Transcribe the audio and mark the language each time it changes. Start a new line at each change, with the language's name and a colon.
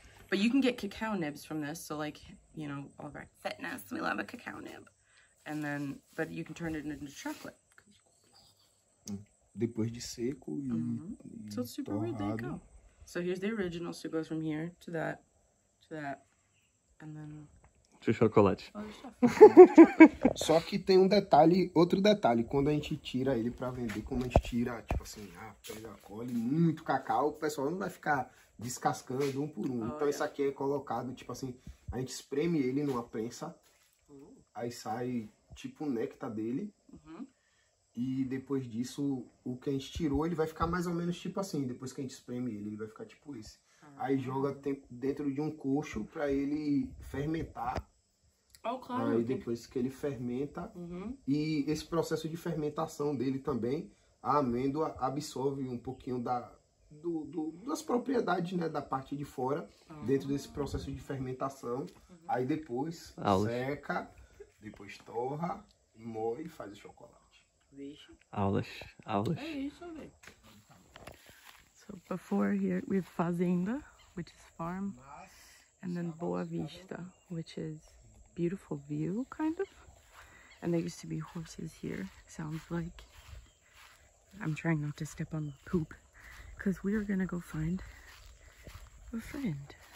English: But you can get cacao nibs from this, so like, you know, all of our fitness, we love a cacao nib. And then, but you can turn it into chocolate.
Portuguese: Depois de seco e, uh-huh, e
English: so it's super torrado. Weird, there you go. So here's the original, so it goes from here to that, and then... To chocolate.
Portuguese: Só que tem um detalhe, outro detalhe, quando a gente tira ele pra vender, quando a gente tira, tipo assim, ah, pega, colhe muito cacau, o pessoal não vai ficar descascando um por um. Oh, então, isso aqui é colocado, tipo assim, a gente espreme ele numa prensa, aí sai tipo o néctar dele, uh-huh, e depois disso, o que a gente tirou, ele vai ficar mais ou menos tipo assim, depois que a gente espreme ele vai ficar tipo esse. Aí joga dentro de um coxo pra ele fermentar. Oh, claro. Aí depois que ele fermenta. Uhum. E esse processo de fermentação dele também, a amêndoa absorve um pouquinho das propriedades, né? Da parte de fora, uhum, dentro desse processo de fermentação. Uhum. Aí depois seca, depois torra, moe e faz o chocolate. Vixe. Aulas, aulas. É isso, velho.
English: So before here, we have Fazenda, which is farm, and then Boa Vista, which is beautiful view, kind of. And there used to be horses here, sounds like. I'm trying not to step on poop, because we are gonna go find a friend.